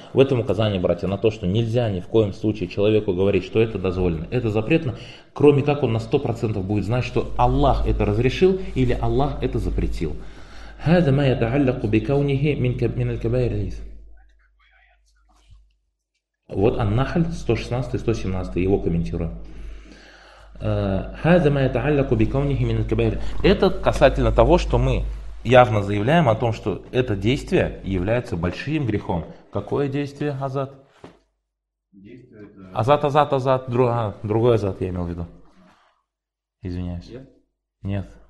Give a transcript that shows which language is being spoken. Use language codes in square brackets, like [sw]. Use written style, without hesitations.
[ru] В этом указании, братья, на то, что нельзя ни в коем случае человеку говорить, что это дозволено, это запретно, кроме как он на 100% будет знать, что Аллах это разрешил или Аллах это запретил. [ar] هَذَا مَا يَتَعَلَّقُ بِكَوْنِهِ مِنَ الْكَبَائِرِ. [ru] Вот Ан-Нахль 116-117, его комментируем. [ar] هذا ما يتعلق بكونه من الكبائر. [ru] Это касательно того, что мы явно заявляем о том, что это действие является большим грехом. Какое действие, Азат? Азат. Другой Азат я имел в виду. Извиняюсь. Нет.